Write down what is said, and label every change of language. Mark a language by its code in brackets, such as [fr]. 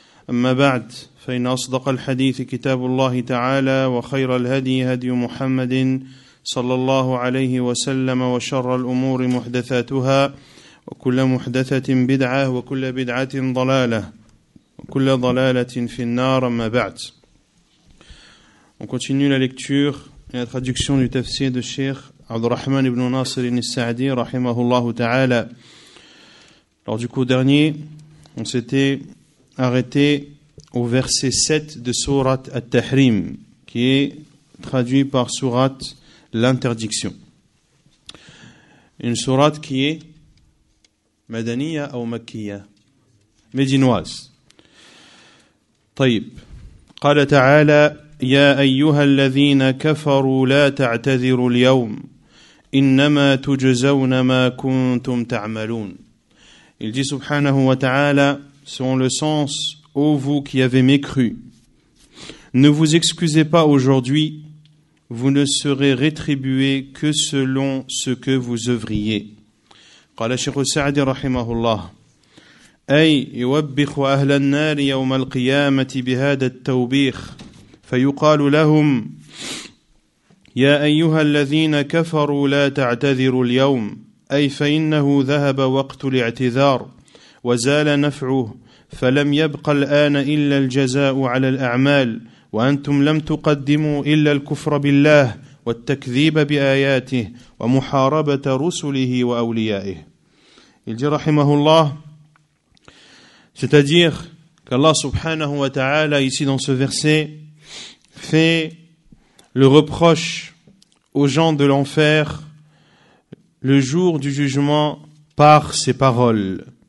[ar] أما بعد، فإن أصدق الحديث كتاب الله تعالى، وخير الهدي هدي محمد صلى الله عليه وسلم، وشر الأمور محدثاتها، وكل محدثة بدعة، وكل بدعة ضلالة، وكل ضلالة في النار. أما بعد. [fr] On continue la lecture et la traduction du tafsir de Cheikh عبد الرحمن بن ناصر السعدي رحمه الله تعالى. Lors du cours dernier, on s'était arrêté au verset 7 de Sourate At-Tahrim, qui est traduit par Sourate l'interdiction. Une sourate qui est madaniya ou makkiya, médinoise. [ar] طيب. قال تعالى يا أيها الذين كفروا لا تعتذروا اليوم إنما تجزون ما كنتم تعملون. [fr] Il dit [ar] سبحانه وتعالى [fr] selon le sens, ô vous qui avez mécru, ne vous excusez pas aujourd'hui, vous ne serez rétribué que selon ce que vous œuvriez. [ar] قال الشيخ السعدي رحمه الله أي يوبخ أهل النار يوم القيامة بهذا التوبيخ فيقال لهم يا أيها الذين كفروا لا تعتذروا اليوم أي فإنه ذهب وقت الاعتذار وزال نفعه فلم يبق الآن إلا الجزاء على الأعمال وأنتم لم تقدموا إلا الكفر بالله والتكذيب بآياته ومحاربة رسله وأوليائه. [fr] Il dit [ar] رحمه الله, [fr] c'est-à-dire qu'Allah [ar] subhanahu wa ta'ala [fr] ici dans ce verset fait le reproche aux gens de l'enfer le jour du jugement par ses paroles.